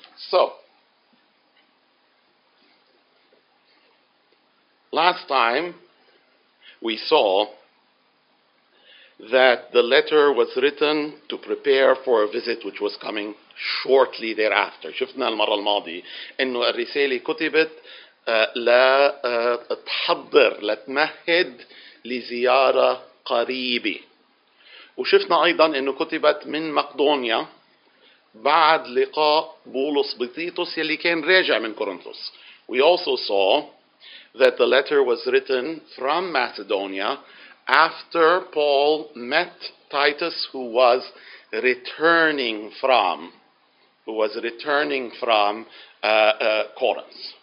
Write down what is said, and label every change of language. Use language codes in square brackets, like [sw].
[en] So, last time we saw that the letter was written to prepare for a visit which was coming shortly thereafter. [ar] شفنا المرة الماضية إنه الرسالة كتبت لتحضر لتمهد لزيارة قريبة. وشفنا أيضا إنه كتبت من مقدونيا بعد لقاء بولس بطيطس يلي كان راجع من كورنثوس. [en] We also saw that the letter was written from Macedonia after Paul met Titus, who was returning from Corinth.